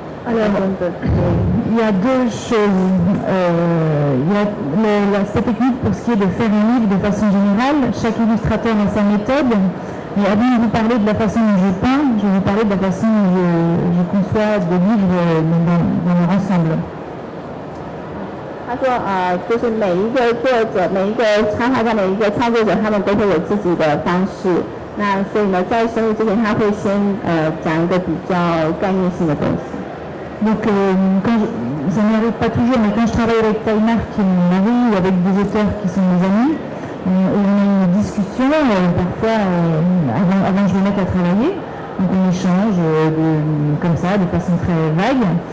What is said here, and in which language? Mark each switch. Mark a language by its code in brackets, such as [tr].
[fr] Alors, il y a deux choses. Cette technique pour ce qui est de faire un livre de façon générale, chaque illustrateur a sa méthode. Et avant de vous parler de la façon dont je peins, je vais vous parler de la façon dont je conçois des livres dans leur ensemble. [zh] 他说，就是每一个作者、每一个插画家、每一个创作者，他们都会有自己的方式。那所以呢，在生日之前，他会先讲一个比较概念性的东西。 [fr] Donc, ça n'arrive pas toujours, mais quand je travaille avec Taï-Marc, qui est mon mari, ou avec des auteurs qui sont mes amis, on a une discussion, parfois, avant que je me mette à travailler, donc on échange comme ça, de façon très vague.